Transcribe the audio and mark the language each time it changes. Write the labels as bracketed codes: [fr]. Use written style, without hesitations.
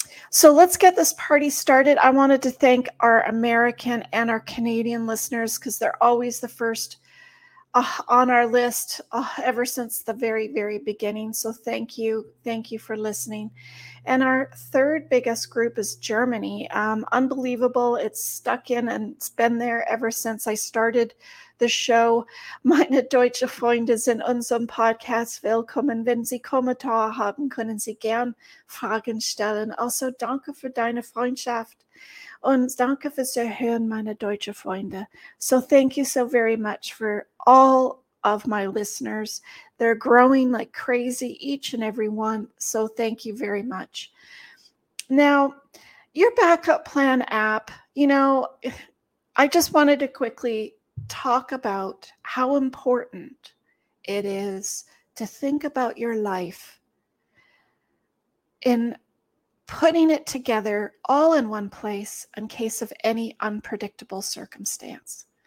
[en] So let's get this party started. I wanted to thank our American and our Canadian listeners because they're always the first on our list ever since the very, very beginning. So thank you. Thank you for listening. And our third biggest group is Germany. Unbelievable. It's stuck in and it's been there ever since I started the show. [de] Meine deutsche Freunde sind in unserem Podcast willkommen. Wenn Sie Kommentare haben, können Sie gern Fragen stellen. Also danke für deine Freundschaft. Und danke für zu hören, meine deutsche Freunde. [en] So thank you so very much for all of my listeners. They're growing like crazy, each and every one. So thank you very much. Now, your Backup Plan app, you know, I just wanted to quickly talk about how important it is to think about your life in putting it together all in one place in case of any unpredictable circumstance.